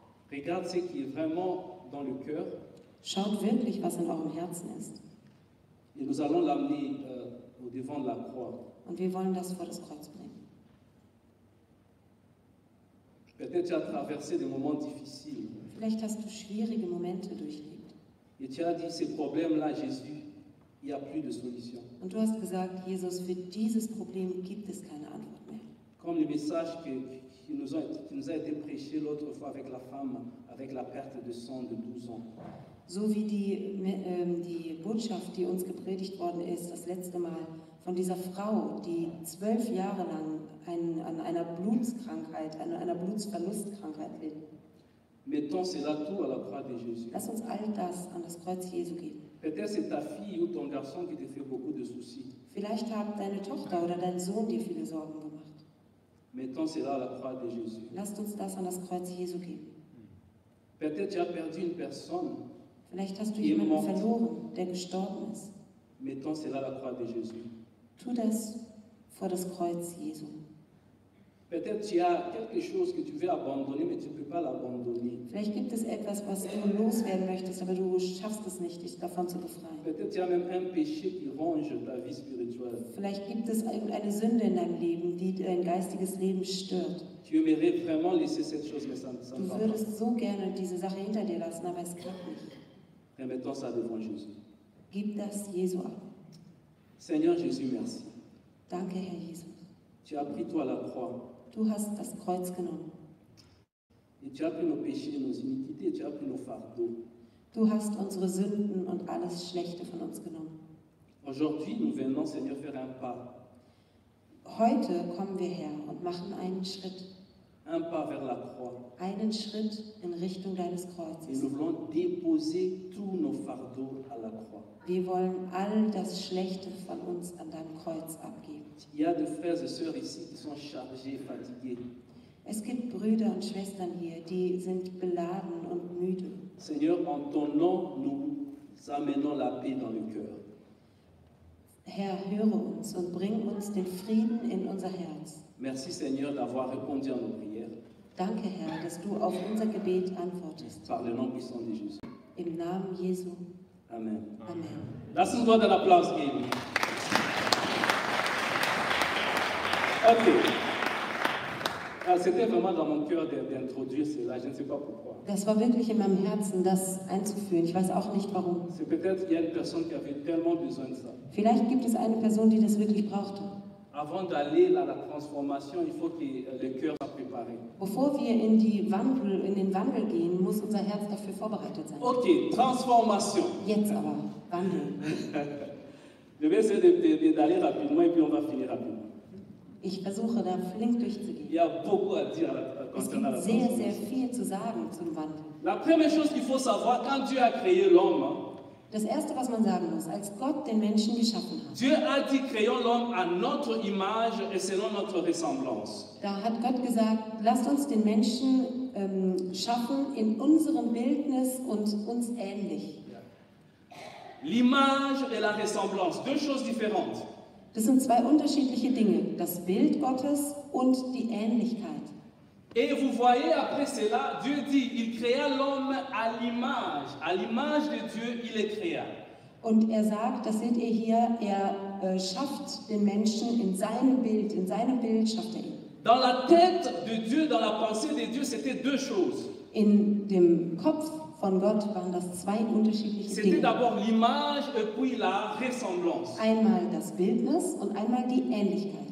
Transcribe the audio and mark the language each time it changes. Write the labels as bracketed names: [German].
[French] Regardez ce qui est vraiment dans le cœur. [German] Schaut wirklich, was in eurem Herzen ist. [French] Et nous allons l'amener au devant de la croix. [German] Und wir wollen das vor das Kreuz bringen. [French] Peut-être tu as traversé des moments difficiles. [German] Vielleicht hast du schwierige Momente durchlebt. [French] Et tu as dit ces problèmes-là, Jésus. Il y a plus de solution. [German] Und du hast gesagt, Jesus, für dieses Problem gibt es keine Antwort mehr. [French] Comme le message qui nous a été prêché l'autre fois avec la femme avec la perte de sang de 12 ans. [German] So wie die Botschaft, die uns gepredigt worden ist das letzte Mal von dieser Frau, die 12 Jahre lang an einer Blutsverlustkrankheit litt. [French] Mettons cela tout à la croix de Jésus. [German] Lass uns all das an das Kreuz Jesu geben. [French] Peut-être c'est ta fille ou ton garçon qui te fait beaucoup de soucis. [German] Vielleicht hat deine Tochter oder dein Sohn dir viele Sorgen gemacht. [French] Mettons cela à la croix de Jésus. [German] Lass uns das an das Kreuz Jesu geben. [French] Peut-être tu as perdu une personne. [German] Vielleicht hast du jemanden verloren, der gestorben ist. [French] Mettons cela à la croix de Jésus. [German] Tu das vor das Kreuz Jesu. [French] Peut-être tu as quelque chose que tu veux abandonner, mais tu ne peux pas l'abandonner. [German] Vielleicht gibt es etwas, was du loswerden möchtest, aber du schaffst es nicht, dich davon zu befreien. [French] Peut-être tu as même un péché qui ronge ta vie spirituelle. [German] Vielleicht gibt es irgendeine Sünde in deinem Leben, die dein geistiges Leben stört. [French] Tu aimerais vraiment laisser cette chose, mais ça ne va pas. [German] Du würdest so gerne diese Sache hinter dir lassen, aber es klappt nicht. [French] Remettons ça devant Jésus. [German] Gib das Jesu ab. [French] Seigneur Jésus, merci. [German] Danke, Herr Jesus. [French] Tu as pris toi la croix. [German] Du hast das Kreuz genommen. [French] Et tu as pris nos péchés, nos iniquités, tu as pris nos fardeaux. [German] Du hast unsere Sünden und alles Schlechte von uns genommen. [French] Aujourd'hui, nous venons, Seigneur, faire un pas. [German] Heute kommen wir her und machen einen Schritt. [French] Un pas vers la croix. [German] Einen Schritt in Richtung deines Kreuzes. [French] Et nous voulons déposer tous nos fardeaux à la croix. [German] Wir wollen all das Schlechte von uns an deinem Kreuz abgeben. [French] Il y a des frères et sœurs ici qui sont chargés, fatigués. [German] Es gibt Brüder und Schwestern hier, die sind beladen und müde. [French] Seigneur, en ton nom, nous amenons la paix dans le cœur. [German] Herr, höre uns und bring uns den Frieden in unser Herz. [French] Merci, Seigneur, d'avoir répondu à nos prières. [German] Danke, Herr, dass du auf unser Gebet antwortest. [French] Par le nom puissant de Jésus. [German] Im Namen Jesu. Amen. Amen. Lass uns Gott einen Applaus geben. Okay. [French] C'était vraiment dans mon cœur d'introduire cela. Je ne sais pas pourquoi. [German] Das war wirklich in meinem Herzen, das einzuführen. Ich weiß auch nicht warum. [French] C'est peut-être qu'il y a une personne qui avait tellement besoin de ça. [German] Vielleicht gibt es eine Person, die das wirklich brauchte. [French] Avant d'aller à la transformation, il faut que le cœur soit préparé. [German] Bevor wir in die Wandel, in den Wandel gehen, muss unser Herz dafür vorbereitet sein. [French] Okay, Transformation. [German] Jetzt aber, Wandel. [French] Je vais essayer d'aller rapidement et puis on va finir rapidement. [German] Ich versuche da flink durchzugehen. [French] Il y a beaucoup à dire concernant la transformation. [German] Es gibt sehr, sehr viel zu sagen zum Wandel. [French] La première chose qu'il faut savoir, quand Dieu a créé l'homme. [German] Das Erste, was man sagen muss, als Gott den Menschen geschaffen hat. [French] Dieu a dit, créons l'homme à notre image et selon notre ressemblance. [German] Da hat Gott gesagt, lasst uns den Menschen schaffen in unserem Bildnis und uns ähnlich. [French] L'image et la ressemblance, deux choses différentes. [German] Das sind zwei unterschiedliche Dinge, das Bild Gottes und die Ähnlichkeit. [French] Et vous voyez après cela, Dieu dit, il créa l'homme à l'image de Dieu, il le créa. [German] Und er sagt, das seht ihr hier, er schafft den Menschen in seinem Bild schafft er ihn. [French] Dans la tête de Dieu, dans la pensée de Dieu, c'était deux choses. [German] In dem Kopf von Gott waren das zwei unterschiedliche Dinge. [French] C'était d'abord l'image et puis la ressemblance. [German] Einmal das Bildnis und einmal die Ähnlichkeit.